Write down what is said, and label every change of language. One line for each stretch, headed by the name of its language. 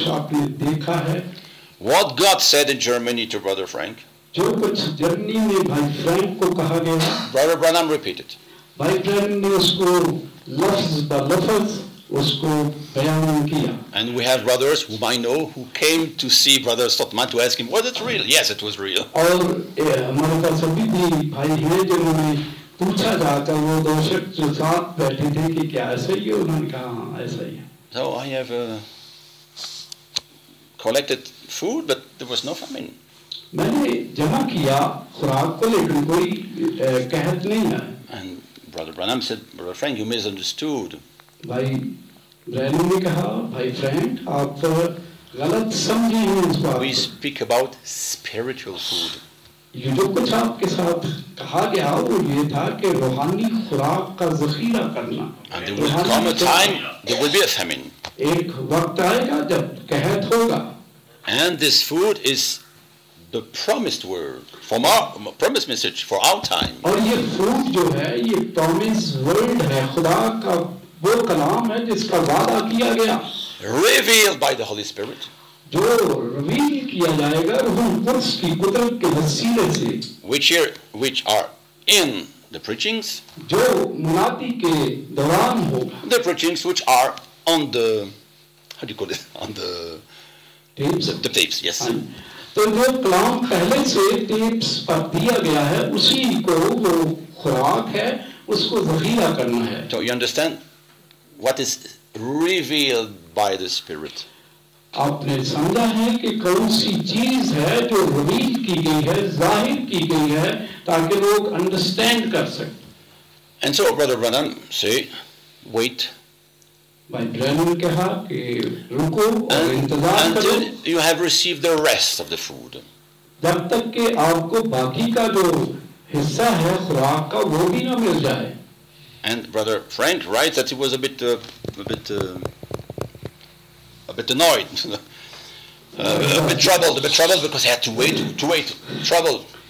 English: What God said in Germany to Brother Frank?
Hindi: जो कुछ Germany में भाई फ्रैंक को कहा गया.
English: Brother Branham repeated.
Hindi: भाई ब्रैनम ने उसको लफ्ज ब लफ्ज उसको बयान किया.
English: And we have brothers whom I know who came to see Brother Sotman to ask him, was it real? Yes, it was real.
Hindi: और हमारे पास सभी भी भाई हैं जिन्होंने पूछा जाकर वो दर्शक जो साथ बैठे थे कि क्या ऐसा ही है. उन्होंने कहा हाँ ऐसा ही है.
English: So I have collected food, but there was no famine.
Hindi: मैंने जमा किया खुराक को लेकिन कोई कहत नहीं है.
English: And Brother Branham said, Brother Frank, you misunderstood.
Hindi: भाई ब्रैनम ने कहा भाई फ्रैंक आप गलत समझे हैं इस बात.
English: We speak about spiritual food.
Hindi: ये जो कुछ आपके साथ कहा गया वो ये था कि रूहानी खुराक का जखीरा करना.
English: And there will come a time, there will be a famine.
Hindi: एक वक्त आएगा जब कहत होगा.
English: And this food is the promised word from our promised message for our time.
Hindi: और ये फूड जो है ये
English: promised word
Hindi: है, खुदा का वो कलाम है जिसका वादा किया गया.
English: Revealed by the Holy Spirit.
Hindi: जो reveal किया जाएगा रूह कुदस की कुदरत के वसीले से.
English: Which are in the preachings.
Hindi: जो मुनादी के दौरान होगा.
English: The preachings which are on the how do you call it on the tapes. The tapes, yes.
Hindi: तो जो कलाम पहले से टेप्स पर दिया गया है उसी को वो खुराक है उसको जखीरा करना है.
English: So you understand what is revealed by the Spirit?
Hindi: आपने समझा है कि कौन सी चीज है जो रिवील की गई है, जाहिर की गई है ताकि लोग अंडरस्टैंड कर सके.
English: And so Brother Branham say, wait.
Hindi: भाई ब्रैनम ने कहा कि रुको और इंतजार करो.
English: Until you have received the rest of the food.
Hindi: जब तक कि आपको बाकी का जो हिस्सा है खुराक का वो भी ना मिल जाए.
English: And brother Frank writes that he was a bit annoyed, a bit troubled because he had to wait, troubled.